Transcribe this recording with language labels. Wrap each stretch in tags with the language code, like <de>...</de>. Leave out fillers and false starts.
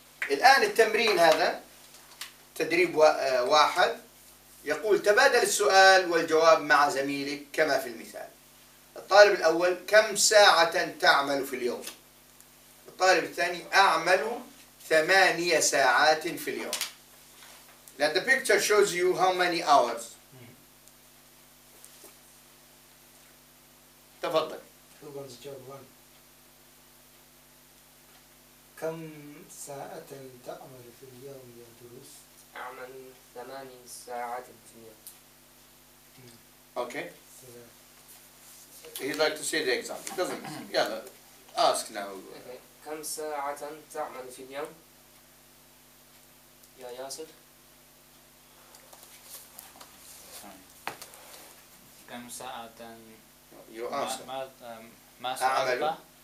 <ar>الآن التمرين هذا تدريب 1 يقول تبادل السؤال والجواب مع زميلك كما في المثال. الطالب الأول كم ساعة تعمل في اليوم؟ الطالب الثاني أعمل 8 ساعات في اليوم.</ar> <en>Now the picture shows you how many hours.</en> <ar>تفضل.</ar> <en>Who wants job one?</en> <ar>كم ساعة تعمل في اليوم يا دروس؟ أعمل 8 ساعات في اليوم.</ar> <en>Okay. He'd like to see the example, doesn't he? Yeah, ask now. Okay.</en> <ar>كم ساعة تعمل في اليوم؟ يا ياسر. كم ساعة؟</ar> <en>You ask.</en> <ar>ما سألت؟</ar>